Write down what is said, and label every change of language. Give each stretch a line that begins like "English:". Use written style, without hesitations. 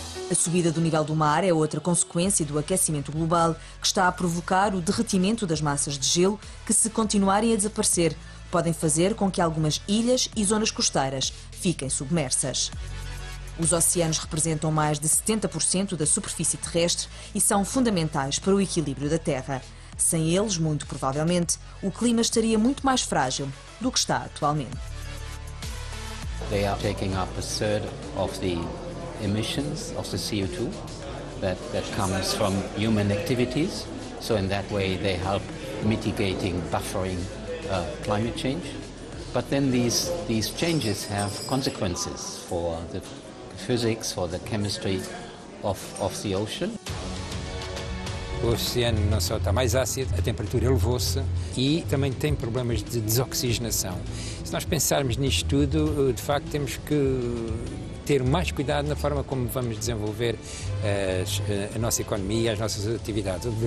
Portuguese: A subida do nível do mar é outra consequência do aquecimento global que está a provocar o derretimento das massas de gelo que, se continuarem a desaparecer, podem fazer com que algumas ilhas e zonas costeiras fiquem submersas. Os oceanos representam mais de 70% da superfície terrestre e são fundamentais para o equilíbrio da Terra. Sem eles, muito provavelmente, o clima estaria muito mais frágil do que está atualmente.
English: They are taking up a third of the emissions of the CO2 that comes from human activities. So in that way they help mitigating, buffering climate change. But then these changes have consequences for the physics or the chemistry of the ocean.
Portuguese: O oceano não só está mais ácido, a temperatura elevou-se e também tem problemas de desoxigenação. Se nós pensarmos nisto tudo, de facto temos que ter mais cuidado na forma como vamos desenvolver a nossa economia, as nossas atividades.